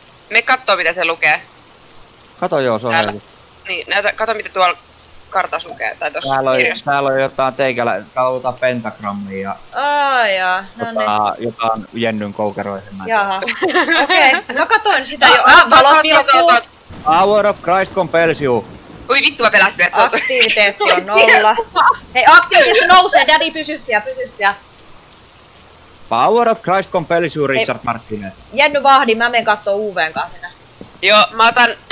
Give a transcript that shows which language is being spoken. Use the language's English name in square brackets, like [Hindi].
[Finnish] Me kattoo mitä se lukee. Kato joo, se on heitetty. Niin, näytä, kato mitä tuolla kartassa lukee, tai tossa kirjassa. Täällä on jotain teikällä, täällä on jotain pentagrammia. Jotain jennyn koukeroihin näitä. Jaha. Okei, okay. Mä katoin sitä jo. Valot vilkuu. [English] Power of Christ compels you. [Finnish] Voi vittu, mä pelästyn, että sä aktiviteetti on nolla. Hei, aktiviteetti nousee, daddy, pysy siellä. [English] Power of Christ compels you, Richard. Hei. Martinez. [Finnish] Jenny vahdi, mä menen kattoo UV:n kanssa. Joo, mä otan...